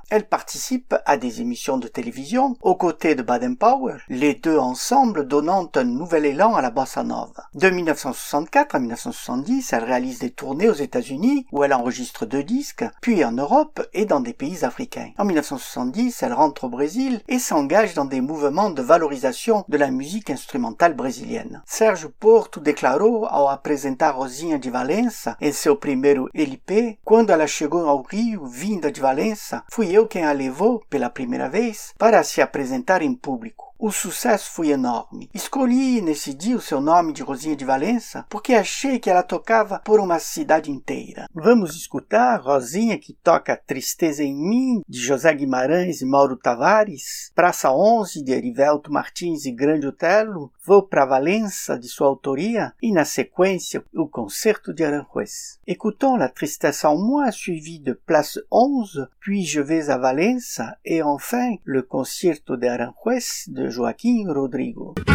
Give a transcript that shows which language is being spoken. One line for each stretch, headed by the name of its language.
French: Elle participe à des émissions de télévision aux côtés de Baden Powell, les deux ensemble donnant un nouvel élan à la bossa nova. De 1964 à 1970, elle réalise des tournées aux États-Unis, où elle enregistre deux disques, puis en Europe et dans des pays africains. En 1970, elle rentre au Brésil et s'engage dans des mouvements de valorisation de la musique instrumentale brésilienne.
Portuguese: Sérgio Porto declarou ao apresentar Rosinha de Valença em seu primeiro LP: quando ela chegou ao Rio, vinda de Valença, fui eu quem a levou pela primeira vez para se apresentar em público. O sucesso foi enorme. Escolhi nesse dia o seu nome de Rosinha de Valença porque achei que ela tocava por uma cidade inteira. Vamos escutar Rosinha que toca Tristeza em Mim, de José Guimarães e Mauro Tavares, Praça 11, de Erivelto Martins e Grande Otelo, Vou pra Valença, de sua autoria, e na sequência, o Concerto de Aranjuez.
French: Écoutons La Tristesse en Moi, suivi de Place 11, Puis Je vais à Valença, et enfin, Le Concerto de Aranjuez, de Joaquim Rodrigo.